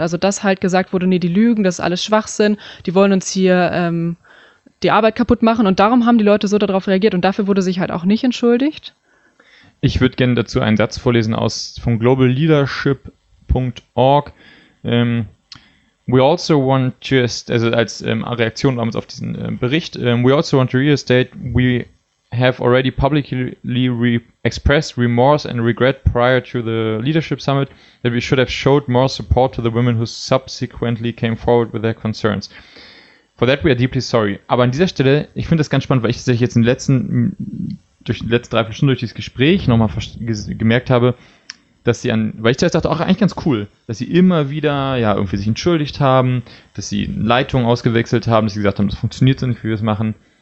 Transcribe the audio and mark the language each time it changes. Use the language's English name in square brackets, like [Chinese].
[German] Also dass halt gesagt wurde, nee, die lügen, das ist alles Schwachsinn, die wollen uns hier die Arbeit kaputt machen und darum haben die Leute so darauf reagiert und dafür wurde sich halt auch nicht entschuldigt. Ich würde gerne dazu einen Satz vorlesen aus von globalleadership.org. [English] We also want to, [German] also als Reaktion damals auf diesen Bericht, [English] we also want to reiterate, we have already publicly expressed remorse and regret prior to the leadership summit that we should have showed more support to the women who subsequently came forward with their concerns. For that we are deeply sorry. [German] Aber an dieser Stelle, ich finde das ganz spannend, weil ich tatsächlich jetzt in den letzten, durch die letzten 3-4 Stunden durch dieses Gespräch nochmal gemerkt habe, dass sie an, weil ich zuerst dachte, auch eigentlich ganz cool, dass sie immer wieder, ja, irgendwie sich entschuldigt haben, dass sie Leitung ausgewechselt haben, dass sie gesagt haben, das funktioniert so nicht, wie wir es machen.